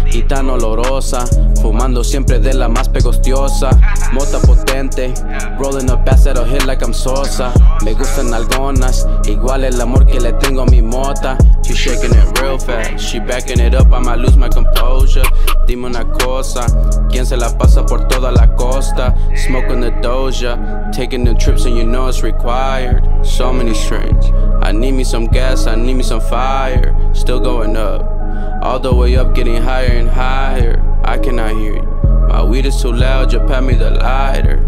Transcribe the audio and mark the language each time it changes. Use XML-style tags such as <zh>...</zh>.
<es>Y tan olorosa, fumando siempre de la más pegostiosa. Mota potente,</es> <en>rolling up past that hill like I'm Sosa.</en> <es>Me gustan algunas, igual el amor que le tengo a mi mota.</es> <en>She shaking it real fast, she backing it up, I'ma lose my composure.</en> <es>Dime una cosa, ¿quién se la pasa por toda la costa?</es> <en>Smoking the Doja, taking the trips and you know it's required. So many strings, I need me some gas, I need me some fire. Still going up, all the way up, getting higher and higher. I cannot hear you, my weed is too loud, just pass me the lighter.</en>